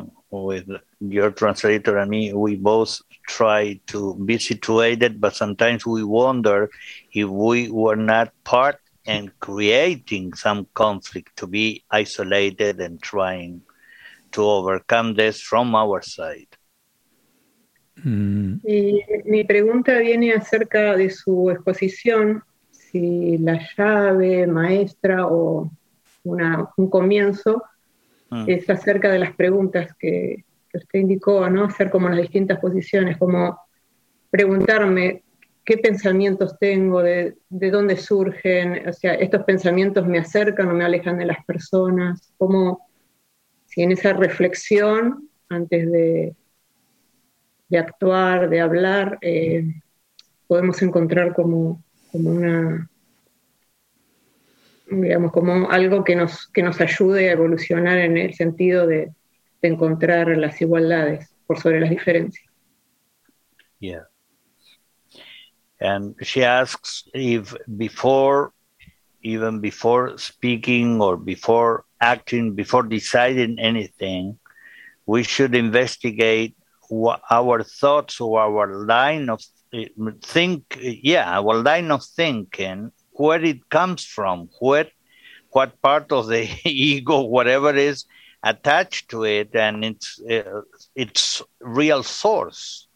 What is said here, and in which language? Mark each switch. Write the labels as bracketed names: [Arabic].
[English] With your translator and me, we both try to be situated, but sometimes we wonder if we were not part and creating some conflict to be isolated and trying to overcome this from our side. [Spanish] Y mi pregunta viene acerca de su exposición, si la llave maestra o un comienzo. Es acerca de las preguntas que usted indicó, ¿no? Hacer como las distintas posiciones, como preguntarme qué pensamientos tengo, de dónde surgen, o sea, estos pensamientos me acercan o me alejan de las personas, como si en esa reflexión, antes de actuar, de hablar, podemos encontrar como una... digamos, como algo que nos ayude a evolucionar en el sentido de encontrar las igualdades por sobre las diferencias. [English] Yeah. And she asks if before, even before speaking or before acting, before deciding anything, we should investigate our thoughts or our line of thinking, where it comes from, what part of the ego, whatever is attached to it, and its real source.